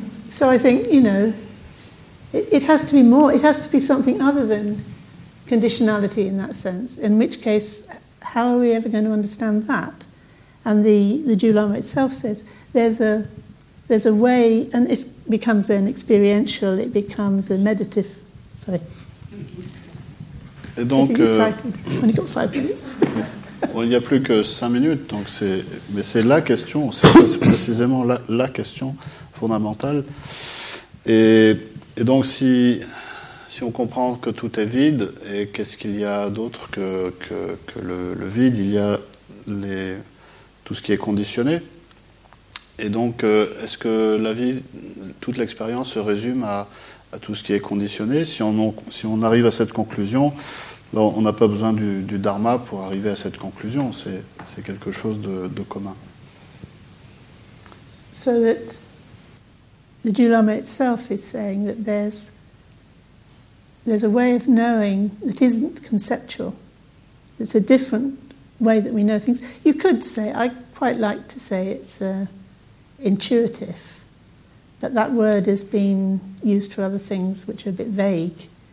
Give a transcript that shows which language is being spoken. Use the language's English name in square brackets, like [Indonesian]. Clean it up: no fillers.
[English] So I think, you know, it has to be more, it has to be something other than conditionality in that sense, in which case, how are we ever going to understand that? And the Dalai Lama itself says, there's a way, and it becomes an experiential, it becomes a meditative, sorry. [French] Et donc, [English] getting excited, only got 5 minutes. [French] Il n'y a plus que 5 minutes, donc c'est la question, c'est précisément la question fondamentale. Et donc si on comprend que tout est vide, et qu'est-ce qu'il y a d'autre que le vide, il y a tout ce qui est conditionné. Et donc est-ce que la vie, toute l'expérience se résume à tout ce qui est conditionné? Si on arrive à cette conclusion... Non, on n'a pas besoin du dharma pour arriver à cette conclusion. C'est quelque chose de commun. [English] So that the Dalai Lama itself is saying that there's a way of knowing that isn't conceptual. It's a different way that we know things. You could say, I quite like to say it's intuitive, but that word has been used for other things which are a bit vague.